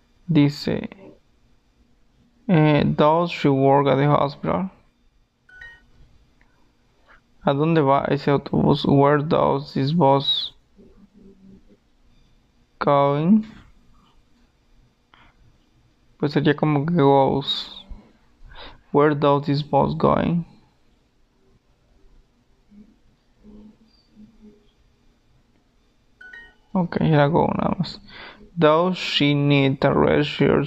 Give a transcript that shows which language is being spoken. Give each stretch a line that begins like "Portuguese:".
English: Dice, does she work at the hospital?
Spanish: ¿A dónde va ese autobús?
English: Where does this bus going?
Spanish: Pues sería como que goes.
English: Where does this bus going? Okay, here I go now. Does she need a red shirt?